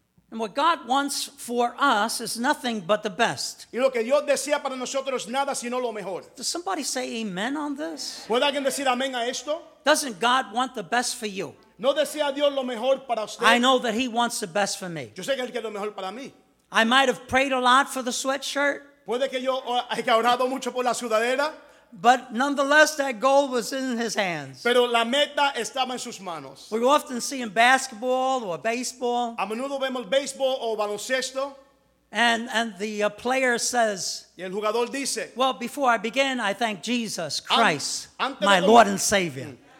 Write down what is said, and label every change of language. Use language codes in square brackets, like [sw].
[en] And what God wants for us is nothing but the best. [es] Y lo que Dios desea para nosotros nada sino lo mejor. [en] Does somebody say amen on this? [es] ¿Puede alguien decir amén a esto? [en] Doesn't God want the best for you? [es] ¿No desea Dios lo mejor para usted? [en] I know that he wants the best for me. [es] Yo sé que él quiere lo mejor para mí. [en] I might have prayed a lot for the sweatshirt. [es] ¿Puede que yo haya orado mucho por la sudadera? [en] But nonetheless, that goal was in his hands. [es] Pero la meta estaba en sus manos. [en] We often see in basketball or baseball. [es] A menudo vemos baseball o baloncesto. [en] And the player says, [es] y el jugador dice, [en] well, before I begin, I thank Jesus Christ, my Lord and Savior.